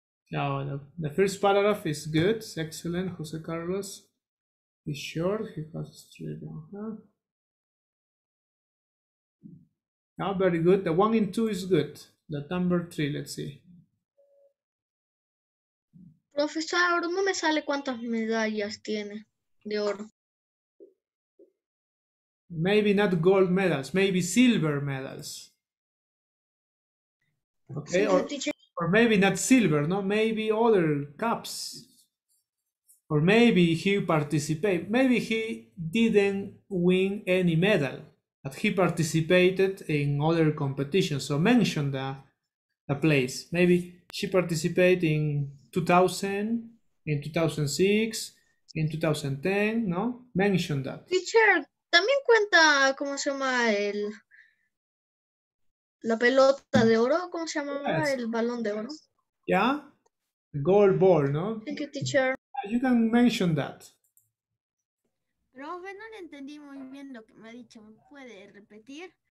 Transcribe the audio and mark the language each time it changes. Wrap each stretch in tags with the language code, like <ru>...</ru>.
<en>Now, the first paragraph is good, it's excellent, Jose Carlos. He's short, he has straight down. Now, very good. The one in two is good. The number three, let's see.</en> <es>Profesor, no me sale cuántas medallas tiene de oro.</es> <en>Maybe not gold medals, maybe silver medals. Okay, or maybe not silver, no, maybe other cups. Or maybe he participated, maybe he didn't win any medal, but he participated in other competitions. So mention the place. Maybe she participated in 2000, in 2006, in 2010, no? Mention that. Teacher.</en> <es>También cuenta, ¿cómo se llama el la pelota de oro? ¿Cómo se llama el balón de oro?</es> <en>Yeah, the gold ball, ¿no? Thank you, teacher. You can mention that.</en> <es>Profe, no le entendí muy bien lo que me ha dicho. ¿Me puede repetir?</es>